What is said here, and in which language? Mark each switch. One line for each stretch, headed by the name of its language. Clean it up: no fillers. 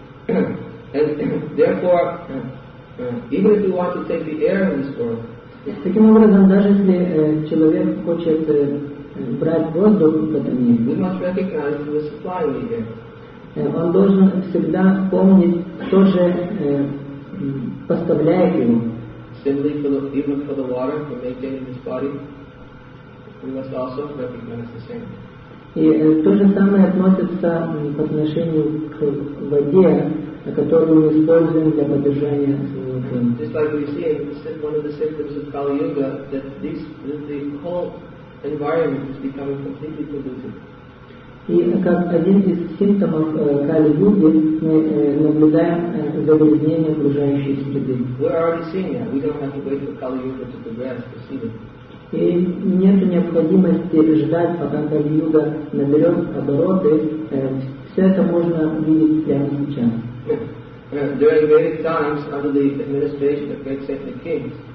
English: And therefore, even if we want to take the air in this world,
Russian: таким образом, даже если человек хочет брать воздух в этом мире,
English: we must recognize who is supplying the air.
Russian: Он должен всегда помнить, кто же поставляет его.
English: Simply for the, even for the water, for maintaining his body, we must also recognize the same.
Russian: И то же самое относится к отношению к воде, которую мы используем для поддержания своего тела.
English: Just like we see in one of the symptoms of Kali Yuga, that the whole environment is becoming completely polluted.
Russian: И как один из симптомов Кали-Юги мы наблюдаем загрязнение окружающей среды. И нет необходимости ждать, пока Кали-Юга наберет обороты. Все это можно видеть прямо сейчас.
English: During Vedic times, under the administration of great sacred kings,